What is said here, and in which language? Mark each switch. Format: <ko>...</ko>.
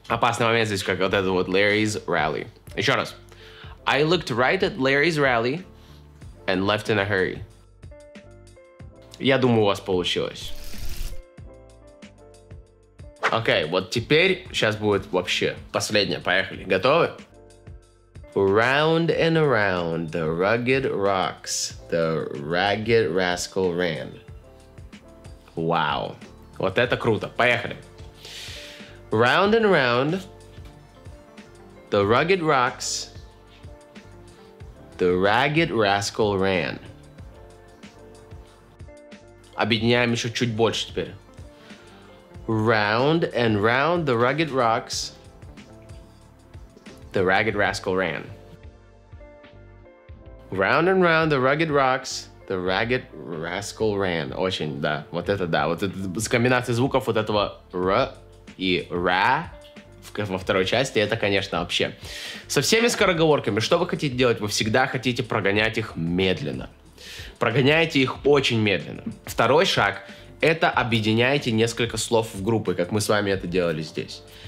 <ru>Опасный момент здесь, как вот это вот</ru> <en>Larry's rally.</en> <ru>Еще раз.</ru> <en>I looked right at Larry's rally and left in a hurry.</en> <ru>Я думаю, у вас получилось. Окей, вот теперь сейчас будет вообще последнее. Поехали. Готовы?</ru> <en>Round and around the rugged rocks, the ragged rascal ran.</en> <ru>Вау. Вот это круто. Поехали.</ru> <en>Round and round the rugged rocks, the ragged rascal ran.</en> <ru>Объединяем еще чуть больше теперь.</ru> <en>Round and round the rugged rocks, the ragged rascal ran. Round and round the rugged rocks, the ragged rascal ran.</en> <ru>Очень, да, вот это да. Вот это с комбинацией звуков вот этого r и ra во второй части, это, конечно, вообще. Со всеми скороговорками, что вы хотите делать? Вы всегда хотите прогонять их медленно. Прогоняйте их очень медленно. Второй шаг – это объединяйте несколько слов в группы, как мы с вами это делали здесь.</ru>